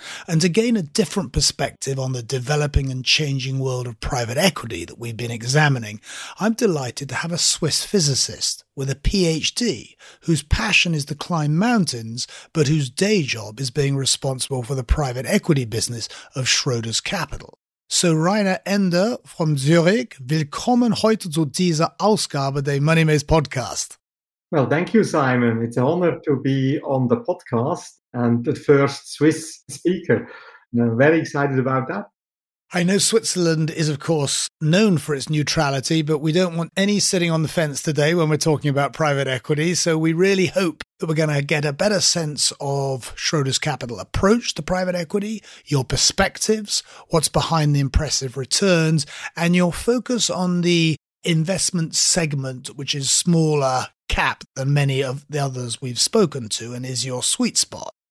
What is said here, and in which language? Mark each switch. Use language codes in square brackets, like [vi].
[en] And to gain a different perspective on the developing and changing world of private equity that we've been examining, I'm delighted to have a Swiss physicist with a PhD whose passion is to climb mountains, but whose day job is being responsible for the private equity business of Schroders Capital. [de] So Rainer Ender from Zurich, willkommen heute zu dieser Ausgabe der Money Maze Podcast. [en] Well, thank you, Simon. It's an honor to be on the podcast and the first Swiss speaker. I'm very excited about that. I know Switzerland is, of course, known for its neutrality, but we don't want any sitting on the fence today when we're talking about private equity. So we really hope that we're going to get a better sense of Schroders Capital approach to private equity, your perspectives, what's behind the impressive returns, and your focus on the investment segment, which is smaller cap than many of the others we've spoken to and is your sweet spot.